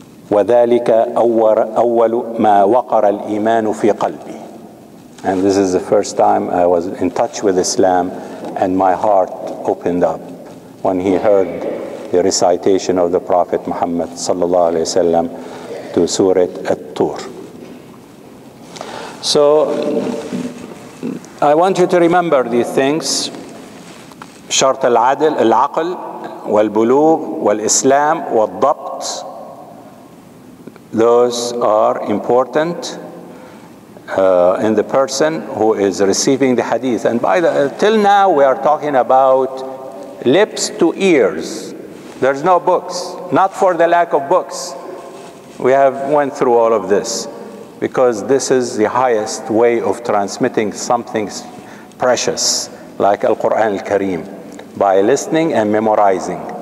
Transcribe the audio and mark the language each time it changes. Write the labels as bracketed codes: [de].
[ar] وذلك أول ما وقر الإيمان في قلبي. [en] And this is the first time I was in touch with Islam, and my heart opened up when he heard the recitation of the Prophet Muhammad sallallahu alaihi wasallam to Surah At-Tur. So I want you to remember these things. [ar] شرط العدل العقل والبلوغ والإسلام والضبط. [en] Those are important in the person who is receiving the hadith. And by the till now we are talking about lips to ears. There's no books. Not for the lack of books. We have went through all of this because this is the highest way of transmitting something precious like Al-Quran Al-Kareem by listening and memorizing.